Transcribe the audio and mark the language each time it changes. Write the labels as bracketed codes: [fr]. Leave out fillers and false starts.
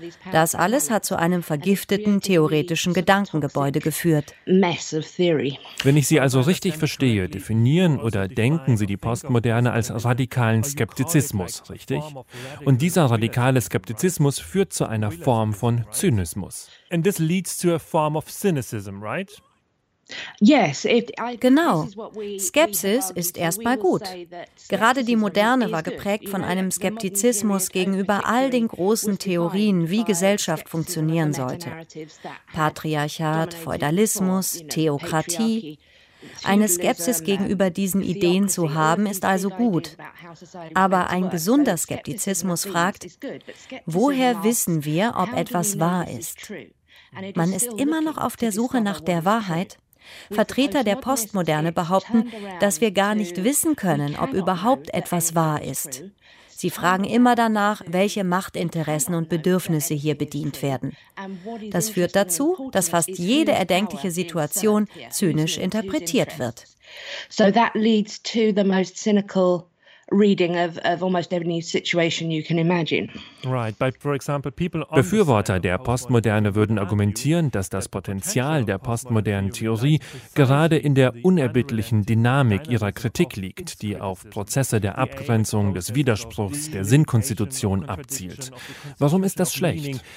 [de] Das alles hat zu einem vergifteten theoretischen Gedankengebäude geführt. Wenn ich Sie also richtig verstehe, definieren oder denken Sie die Postmoderne als radikalen Skeptizismus, richtig? Und dieser radikaler Skeptizismus führt zu einer Form von Zynismus. [en] And this leads to a form of cynicism, right? [de] Genau. Skepsis ist erstmal gut. Gerade die Moderne war geprägt von einem Skeptizismus gegenüber all den großen Theorien, wie Gesellschaft funktionieren sollte. Patriarchat, Feudalismus, Theokratie. Eine Skepsis gegenüber diesen Ideen zu haben, ist also gut. Aber ein gesunder Skeptizismus fragt, woher wissen wir, ob etwas wahr ist? Man ist immer noch auf der Suche nach der Wahrheit. Vertreter der Postmoderne behaupten, dass wir gar nicht wissen können, ob überhaupt etwas wahr ist. Sie fragen immer danach, welche Machtinteressen und Bedürfnisse hier bedient werden. Das führt dazu, dass fast jede erdenkliche Situation zynisch interpretiert wird. [en] So that leads to the most cynical reading of almost every situation you can imagine. Right, but for example, people. [de] Befürworter der Postmoderne würden argumentieren, dass das Potenzial der postmodernen Theorie gerade in der unerbittlichen Dynamik ihrer Kritik liegt, die auf Prozesse der Abgrenzung, des Widerspruchs, der Sinnkonstitution abzielt. Warum ist das schlecht?